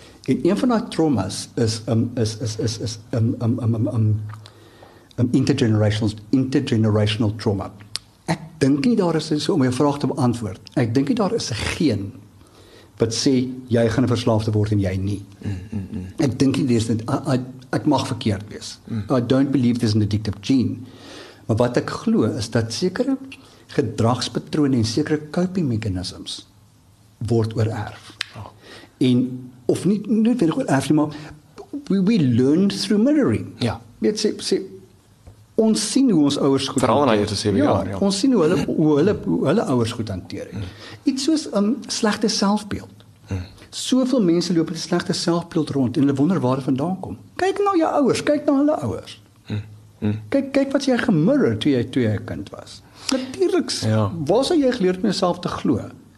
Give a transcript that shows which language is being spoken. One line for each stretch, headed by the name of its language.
Afrikaans: En een van die traumas is intergenerational trauma. Ek dink nie daar is, so om jou vraag te beantwoord, ek dink nie daar is een geen wat sê, jy gaan verslaafde word en jy nie. Ek dink nie, ek mag verkeerd wees.
English: I don't believe there's an addictive gene.
Afrikaans: Maar wat ek glo, is dat sekere gedragspatrone en sekere coping mechanisms word oorerf. Oh. En, of nie, nie verder oorerf nie, maar
English: we learn through mirroring.
Afrikaans: Ja. Weet, sê, ons sien hoe ons ouders goed hanteer. Vooral na jy te sê, ja. Ons sien hoe hulle ouders goed hanteer. Iets soos slechte selfbeeld. Soveel mense loop met die slechte selfbeeld rond en hulle wonder waar hy vandaan kom. Kyk na jou ouers, kyk na hulle ouers. Kyk wat jy gemurder toe jy kind was. Natuurlijk, waar sal jy geleerd met jouself te glo?